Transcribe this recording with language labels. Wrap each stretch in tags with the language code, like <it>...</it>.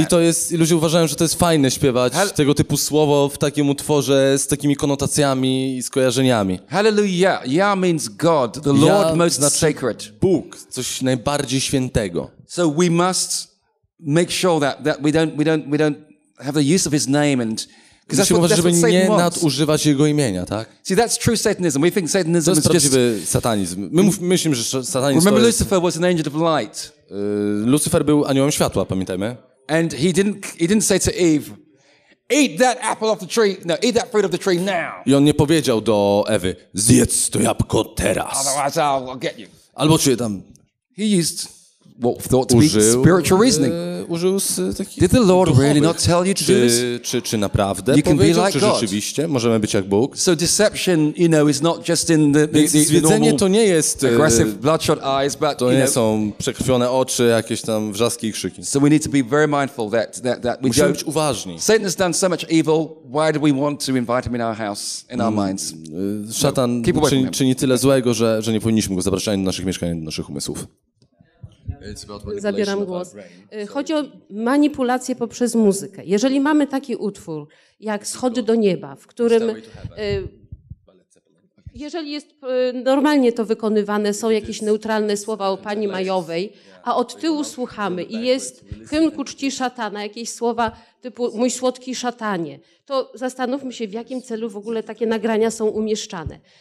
<pl>I to jest, i ludzie uważają, że to jest fajne śpiewać tego typu słowo w takim utworze z takimi konotacjami i skojarzeniami.</pl> <en>Hallelujah. Ya means God, the Lord most sacred.</en> <pl>Bóg, coś najbardziej świętego.</pl> <en>So we must make sure that we don't have the use of his name and</en> <pl>musimy uważać, żeby nie nadużywać jego imienia, tak?</pl> <en>See, that's true Satanism. We think Satanism</en> <pl>to jest prawdziwy</pl> <en>just...</en> <pl>satanizm. My myślimy, że satanizm</pl> <en>remember</en> <pl>to jest...</pl> <en>Lucifer was an angel of light.</en> <pl>Lucifer był aniołem światła, pamiętajmy.</pl> <en>And he didn't say to Eve, eat that apple of the tree. No, eat that fruit of the tree now.</en> <pl>I on nie powiedział do Ewy, zjedz to jabłko teraz.</pl> <en>Otherwise I'll get you.</en> <pl>Albo czy tam...</pl> <en>He used what thought to be spiritual reasoning. Did the Lord really not tell you to do this?</en> <pl>Czy naprawdę powiedział, czy rzeczywiście możemy być jak Bóg?</pl> <en>So deception, you know, is not just in</en> <pl>zwiedzenie to nie jest</pl> <en>aggressive bloodshot eyes, but</en> <pl>to nie są przekrwione oczy, jakieś tam wrzaski i krzyki.</pl> <en>So we need to be very mindful that we</en> <pl>musimy być uważni.</pl> <en>Satan has done so much evil. Why do we want to invite him in our house, in our minds?</en> <pl>Szatan czyni tyle złego, że nie powinniśmy go zapraszać do naszych mieszkań, do naszych umysłów. Zabieram głos. Chodzi o manipulację poprzez muzykę. Jeżeli mamy taki utwór jak Schody do nieba, w którym jeżeli jest normalnie to wykonywane, są jakieś neutralne słowa o Pani Majowej, a od tyłu słuchamy i jest hymn ku czci szatana, jakieś słowa typu mój słodki szatanie, to zastanówmy się, w jakim celu w ogóle takie nagrania są umieszczane.</pl>